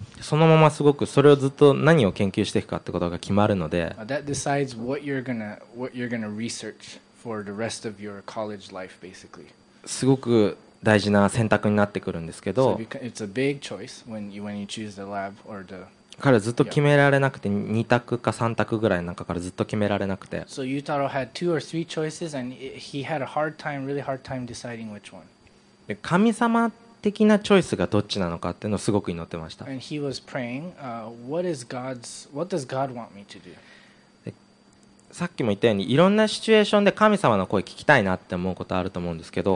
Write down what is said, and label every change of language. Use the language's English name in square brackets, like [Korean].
[Japanese] そのまますごくそれをずっと何を研究していくかってことが決まるので。 [English] That decides what you're gonna research for the rest of your college life, basically. [Japanese] すごく大事な選択になってくるんですけど。 [English] So it's a big choice when you choose the lab or the [Japanese] 彼ずっと決められなくて、2択か3択ぐらいの中からずっと決められなくて。 [English] So Yutaro had two or three choices and he had a hard time, really hard time deciding which one. [Japanese] 神様的なチョイスがどっちなのかっていうのをすごく祈ってました。 [English] And he was praying, what does God want me to do? [Japanese] さっきも言ったようにいろんなシチュエーションで神様の声聞きたいなって思うことあると思うんですけど、